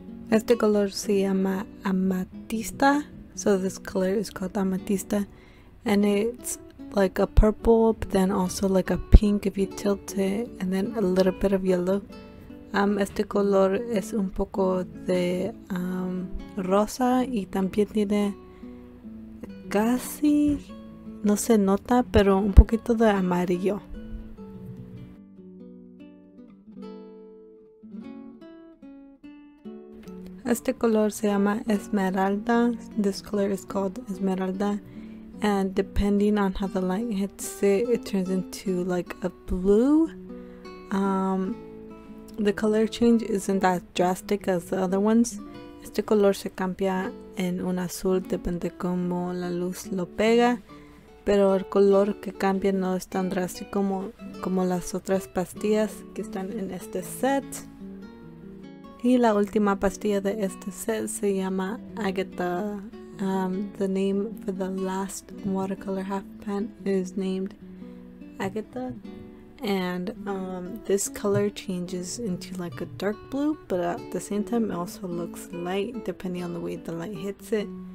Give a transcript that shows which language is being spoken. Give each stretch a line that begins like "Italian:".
Spanish: Este color se llama Amatista,
English: so this color is called Amatista, and it's like a purple, but then also like a pink if you tilt it, and then a little bit of yellow.
Spanish: Este color es un poco de rosa, y también tiene casi, no se nota, pero un poquito de amarillo. Este color se llama Esmeralda.
English: This color is called Esmeralda. And depending on how the light hits it, it turns into like a blue. The color change isn't that drastic as the other ones.
Spanish: Este color se cambia en un azul, depende como la luz lo pega. Pero el color que cambia no es tan drástico como las otras pastillas que están en este set. Y la última pastilla de este set se llama Agatha.
English: The name for the last watercolor half pan is named agate. And this color changes into like a dark blue, but at the same time it also looks light depending on the way the light hits it.